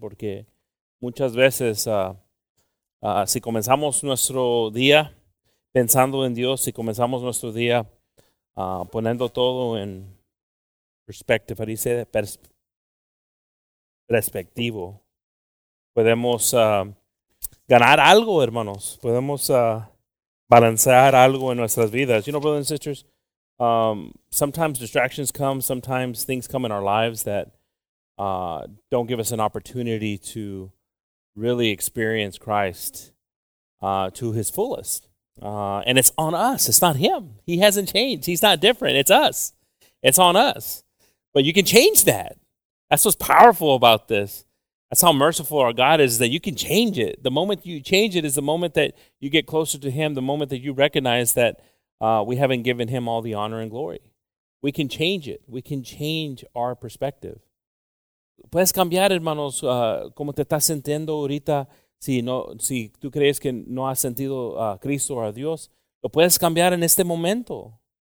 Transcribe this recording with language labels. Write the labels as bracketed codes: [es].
[es] Porque muchas veces, si comenzamos nuestro día pensando en Dios, si comenzamos nuestro día poniendo todo en perspectiva, dice perspectivo, podemos ganar algo, hermanos. Podemos balancear algo en nuestras vidas. [en] You know, brothers and sisters, sometimes distractions come. Sometimes things come in our lives that don't give us an opportunity to really experience Christ to his fullest. And it's on us. It's not him. He hasn't changed. He's not different. It's us. It's on us. But you can change that. That's what's powerful about this. That's how merciful our God is that you can change it. The moment you change it is the moment that you get closer to him, the moment that you recognize that we haven't given him all the honor and glory. We can change it. We can change our perspective. [es] Puedes cambiar, hermanos, como te estás sintiendo ahorita, si tú crees que no has sentido a Cristo o a Dios, lo puedes cambiar en este momento.